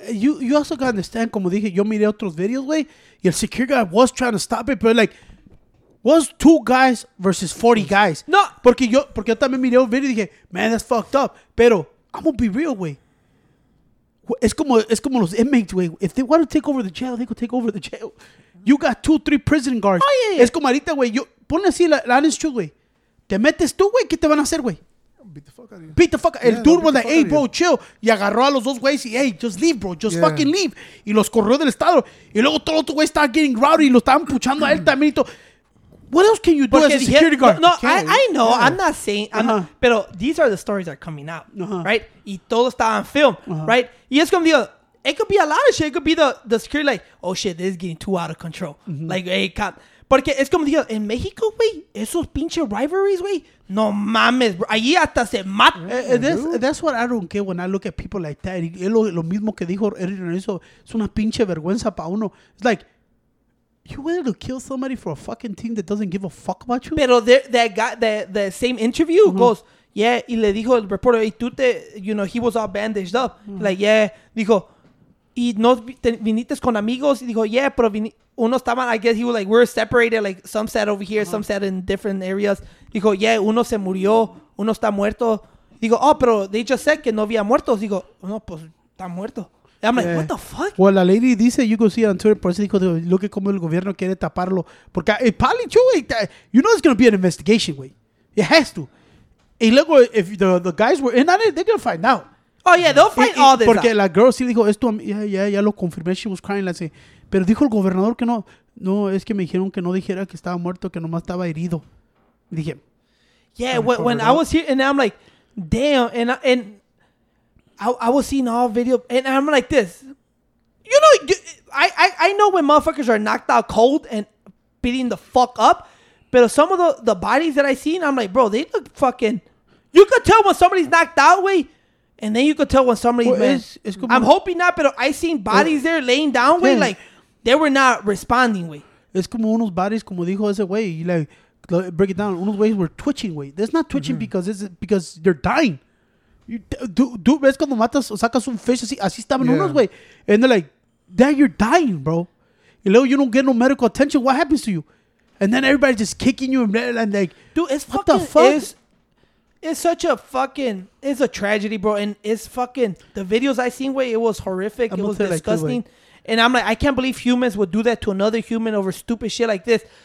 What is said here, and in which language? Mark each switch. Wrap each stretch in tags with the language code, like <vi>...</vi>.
<en>You also got to understand,</en> <es>como dije, yo miré otros videos,</es> <en>güey. Y el security guard was trying to stop it, but like, was two guys versus 40 guys. No.</en> <es>Porque yo también miré un video y dije,</es> <en>man, that's fucked up.</en> <es>Pero,</es> <en>I'm going to be real,</en> <es>güey. Es como los inmates, güey.</es> <en>If they want to take over the jail, they could take over the jail. You got 2-3 prison guards. Oh, yeah.</en> <es>Es como ahorita, güey. Pon así la</es> <en>honest truth,</en> <es>güey. Te metes tú, güey. ¿Qué te van a hacer, güey?</es> <en>Beat the fuck out of you. Beat the fuck out. Yeah, el dude was like, hey, bro, chill.</en> <es>Y agarró a los dos güeyes y,</es> <en>hey, just leave, bro. Just fucking leave.</en> <es>Y los corrió del estado. Y luego todo otro güey estaba</es> <en>getting rowdy</en> <es>y lo estaban puchando a él también.</es> <en>What else can you do as a security guard? No, I know. Yeah. I'm not saying. Pero these are the stories that are coming out, right?</en> <es>Y todo estaba en film,</es> <en>right?</en> <es>Y es como digo,</es> <en>it could be a lot of shit. It could be the security like, oh, shit, this is getting too out of control.</en> <es>Mm-hmm.</es> <en>Like, hey, cop.</en> <es>Porque es como digo, en México, güey, esos pinche rivalries, güey, no mames, bro. Allí hasta se mata.</es> <en>That's what I don't care when I look at people like that.</en> <es>Y es lo mismo que dijo Eric Renzo. Es una pinche vergüenza para uno.</es> <en>It's like, you willing to kill somebody for a fucking team that doesn't give a fuck about you? Pero that guy, the same interview goes, yeah,</en> <es>y le dijo el</es> <en>reporter,</en> <es>y tú te,</es> <en>you know, he was all bandaged up.</en> <es>Like, yeah, dijo, y no viniste con amigos, y dijo, yeah, pero viniste.</es> <en>Uno estaba, I guess he was like, we're separated. Like, some sat over here, some sat in different areas. Dijo, yeah,</en> <es>uno se murió. Uno está muerto. Digo, oh, pero</es> <en>they just said</en> <es>que no había muertos. Digo, no, pues, está muerto.</es> <en>And I'm like, what the fuck?</en> <es>Well, la lady dice,</es> <en>you can see on Twitter,</en> <es>por eso dijo,</es> <en>look at</en> <es>como el gobierno quiere taparlo.</es> <en>Porque, hey, probably too, wey, you know it's going to be an investigation, wey. It has to.</en> <es>Y luego,</es> <en>if the guys were in on it, they're going to find out. Oh, yeah, they'll find all this</en> <es>porque</es> <en>out.</en> <es>La girl sí dijo, esto, ya lo confirmé.</es> <en>She was crying, let's say.</en> <es>Pero dijo el gobernador que no, es que me dijeron que no dijera que estaba muerto, que nomás estaba herido. Dije.</es> <en>Yeah, when I was here, and I'm like, damn. And I was seeing all video, and I'm like this. You know, I know when motherfuckers are knocked out cold and beating the fuck up, but some of the bodies that I seen, I'm like, bro, they look fucking. You could tell when somebody's knocked out, way. And then you could tell when somebody, well, man, I'm hoping not, but I seen bodies there laying down, way, like, they were not responding, way. It's como unos bodies,</en> <es>como dijo ese</es> <en>way, like, break it down, unos ways were twitching, way. They're not twitching because they're dying.</en> <es>Dude, ves cuando matas o sacas un fish así, así estaban unos, güey.</es> <en>And they're like, dad, you're dying, bro. You know, you don't get no medical attention. What happens to you? And then everybody's just kicking you and like, dude, it's what fucking, the fuck? It's such a fucking, it's a tragedy, bro. And it's fucking, the videos I seen, way, it was horrific. I'm it was disgusting. Like too, and I'm like, I can't believe humans would do that to another human over stupid shit like this.</en>